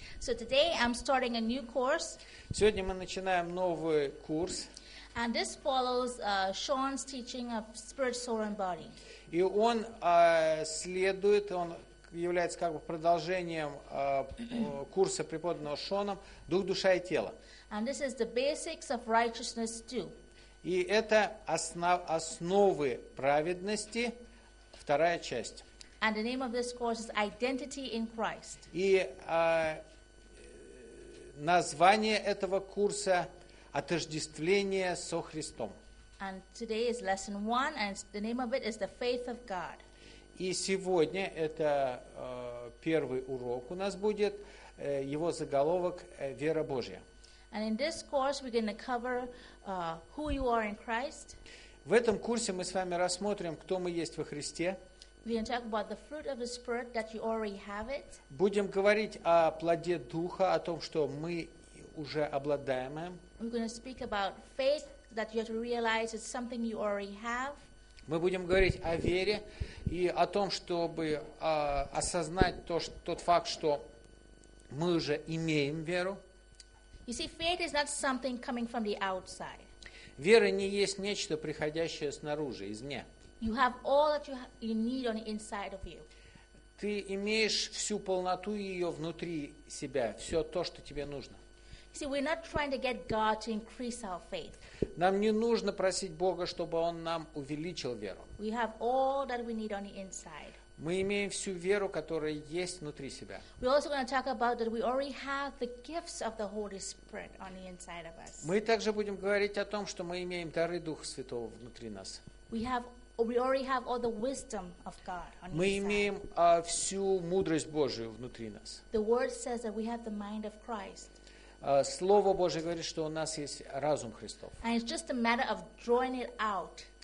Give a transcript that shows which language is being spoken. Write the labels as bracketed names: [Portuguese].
[English] So today I'm starting a new course. [Russian] Сегодня мы начинаем новый курс. [English] And this follows Sean's teaching of spirit, soul, and body. [Russian] И он следует, он является как бы продолжением курса преподанного Шоном «Дух, душа и тело». [English] And this is the basics of righteousness too. [Russian] И это основы праведности, вторая часть. [English] And the name of this course is Identity in Christ. [Russian] И название этого курса «Отождествление со Христом». [English] And today is lesson one, and the name of it is the faith of God. [Russian] И сегодня это первый урок у нас будет, его заголовок «Вера Божья». [English] And in this course we're going to cover who you are in Christ. [Russian] В этом курсе мы с вами рассмотрим, кто мы есть во Христе. [English] We're going to talk about the fruit of the Spirit, that you already have it. [Russian] Будем говорить о плоде Духа, о том, что мы уже обладаем им. [English] We're going to speak about faith, that you have to realize it's something you already have. [Russian] Мы будем говорить о вере и о том, чтобы осознать тот факт, что мы уже имеем веру. [English] You see, faith is not something coming from the outside. [Russian] Вера не есть нечто, приходящее снаружи, извне. [English] You have all that you need on the inside of you. [Russian] Ты имеешь всю полноту ее внутри себя, все то, что тебе нужно. [English] You see, we're not trying to get God to increase our faith. [Russian] Нам не нужно просить Бога, чтобы Он нам увеличил веру. [English] We have all that we need on the inside. [Russian] Мы имеем всю веру, которая есть внутри себя. [English] We're also going to talk about that we already have the gifts of the Holy Spirit on the inside of us. [Russian] Мы также будем говорить о том, что мы имеем дары Духа Святого внутри нас. [English] We already have all the wisdom of God on the [Russian] Мы имеем всю мудрость Божию внутри нас. [English] The Word says that we have the mind of Christ. [Russian] Слово Божие говорит, что у нас есть разум Христов. [English] And it's just a matter of drawing it out.